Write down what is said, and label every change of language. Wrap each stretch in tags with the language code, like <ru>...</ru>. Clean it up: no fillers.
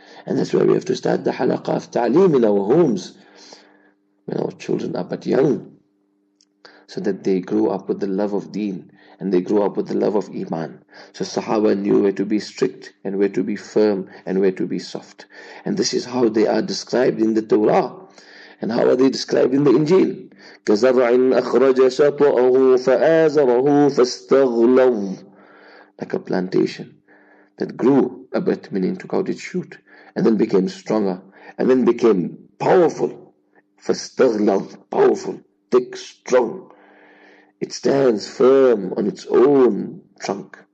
<en>And that's why we have to start the halaqa of ta'aleem in our homes. When our children are but young. So that they grow up with the love of deen. And they grow up with the love of iman. So sahaba knew where to be strict. And where to be firm. And where to be soft. And this is how they are described in the Torah. And how are they described in the Injil?</en> <ar>كزرع أخرج شطأه فآزره فاستغلظ.</ar> <en>Like a plantation that grew a bit, meaning took out its shoot, and then became stronger, and then became powerful. فاستغلظ, powerful, thick, strong. It stands firm on its own trunk.</en>